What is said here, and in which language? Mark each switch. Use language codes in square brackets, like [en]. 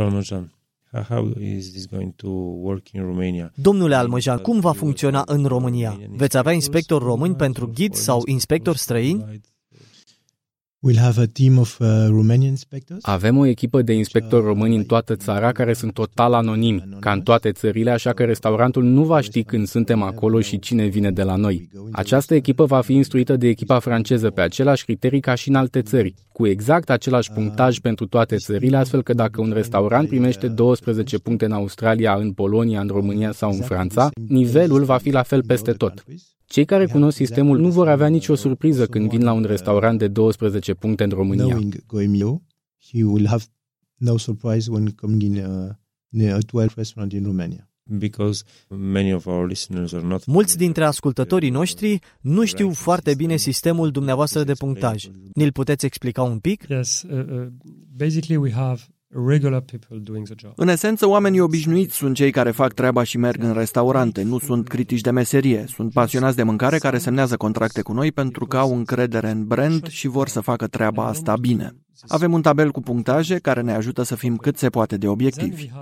[en] Almăjan, how is this going to work in Romania? [ro] Domnule Almăjan, cum va funcționa în România? Veți avea inspectori români pentru ghid sau inspectori străini? [en] We'll have a team of Romanian inspectors. [ro] Avem o echipă de inspectori români în toată țara care sunt total anonimi, ca în toate țările, așa că restaurantul nu va ști când suntem acolo și cine vine de la noi. Această echipă va fi instruită de echipa franceză pe același criterii ca și în alte țări, cu exact același punctaj pentru toate țările, astfel că dacă un restaurant primește 12 puncte în Australia, în Polonia, în România sau în Franța, nivelul va fi la fel peste tot. Cei care cunosc sistemul nu vor avea nicio surpriză când vin la un restaurant de 12 puncte în România. [en] Knowing Goemio, he will have no surprise when coming in near 12 restaurant in Romania. Because many of our listeners are not. [ro] Mulți dintre ascultătorii noștri nu știu foarte bine sistemul dumneavoastră de punctaj. Ne-l puteți explica un pic? [en] Yes, basically we have regular people doing the job. [ro] În esență, oamenii obișnuiți sunt cei care fac treaba și merg în restaurante, nu sunt critici de meserie, sunt pasionați de mâncare care semnează contracte cu noi pentru că au încredere în brand și vor să facă treaba asta bine. Avem un tabel cu punctaje care ne ajută să fim cât se poate de obiectivi.